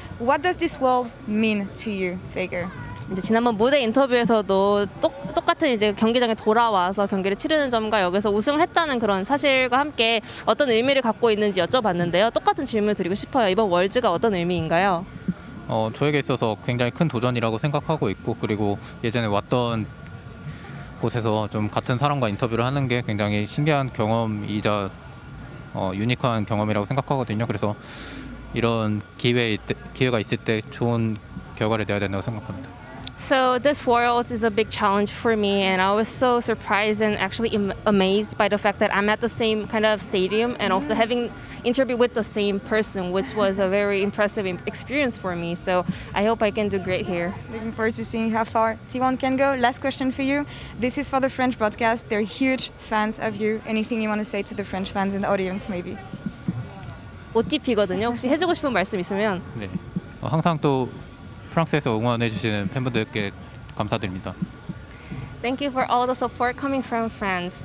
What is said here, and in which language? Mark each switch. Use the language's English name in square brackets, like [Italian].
[English] What does this world mean to you, Faker? [Korean] 이제 지난번 무대 인터뷰에서도 똑같은 이제 경기장에 돌아와서 경기를 치르는 점과 여기서 우승을 했다는 그런 사실과 함께 어떤 의미를 갖고 있는지 여쭤봤는데요. 똑같은 질문을 드리고 싶어요. 이번 월즈가 어떤 의미인가요? 저에게 있어서 굉장히 큰 도전이라고 생각하고 있고 그리고 예전에 왔던 곳에서 좀 같은 사람과 인터뷰를 하는 게 굉장히 신기한 경험이자 유니크한 경험이라고 생각하거든요. 그래서 이런 기회가 있을 때 좋은 결과를 내야 된다고 생각합니다. [English] So this world is a big challenge for me and I was so surprised and actually amazed by the fact that I'm at the same kind of stadium and also having interview with the same person, which was a very impressive experience for me. So I hope I can do great here. Looking forward to seeing how far T1 can go. Last question for you. This is for the French broadcast. They're huge fans of you. Anything you want to say to the French fans in the audience, maybe? [Korean] OTP거든요. 혹시 해주고 싶은 말씀 있으면? 네. 항상 또 프랑스에서 응원해 주시는 팬분들께 감사드립니다. [English] Thank you for all the support coming from France.